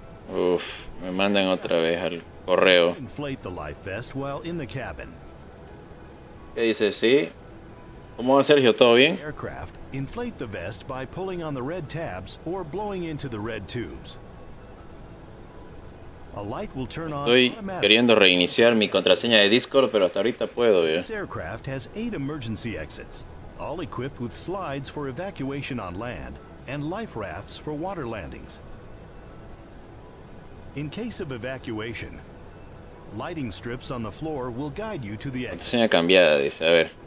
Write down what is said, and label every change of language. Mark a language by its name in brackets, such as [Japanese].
[Spanish] Uf, me mandan otra vez al correo. [English] Inflate the life vest while in the cabin. [Spanish] ¿Qué dice? Sí. ¿Cómo va, Sergio? ¿Todo bien? [English] Aircraft, inflate the vest by pulling on the red tabs or blowing into the red tubes. A light will turn on. [Spanish] Estoy queriendo reiniciar mi contraseña de Discord, pero hasta ahorita puedo, ¿eh? [English] This aircraft has 8 emergency exits, all equipped with slides for evacuation on land and life rafts for water landings. In case of evacuation, lighting strips on the floor will guide you to the exit. [Spanish] Contraseña cambiada, dice. A ver.